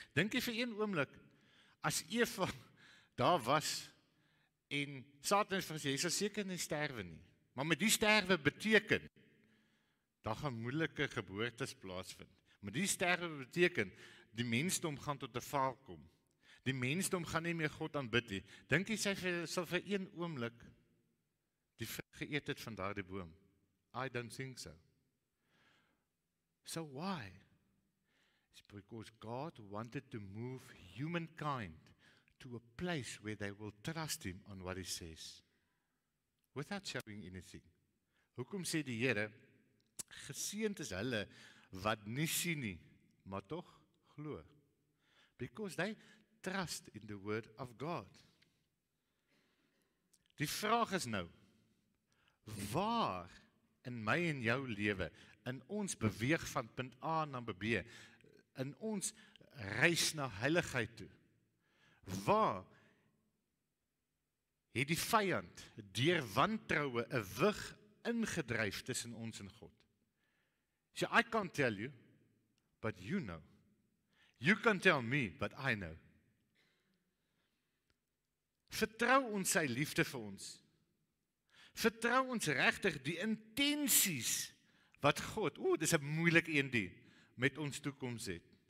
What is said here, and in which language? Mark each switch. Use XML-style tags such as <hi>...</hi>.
<af>Dink jy vir een oomblik, as Eva daar was en Satan sê, jy sal seker nie sterwe nie, maar met die sterwe beteken, daar gaan moeilike geboortes plaasvind. Met die sterwe beteken, die mensdom gaan tot die val kom. Die mensdom gaan nie meer God aanbid nie. Dink jy sy sal vir een oomblik die geëet het van daardie boom?</af> <en>I don't think so. So why? It's because God wanted to move humankind to a place where they will trust him on what he says. Without showing anything.</en> <af>Hoekom sê die Here, geseend is hulle wat nie sien nie, maar toch glo.</af> <en>Because they trust in the word of God.</en> <af>Die vraag is nou, waar in my en jou lewe, in ons beweeg van punt A na B, in ons reis na heiligheid toe, waar het die vijand deur wantrouwe een wig ingedryf tussen ons en God?</af> <en>So I can't tell you, but you know. You can tell me, but I know.</en> <af>Vertrou ons sy liefde vir ons. Vertrou ons regtig die intensies wat God, oeh, dis 'n moeilike een die, met ons toekoms het.</af>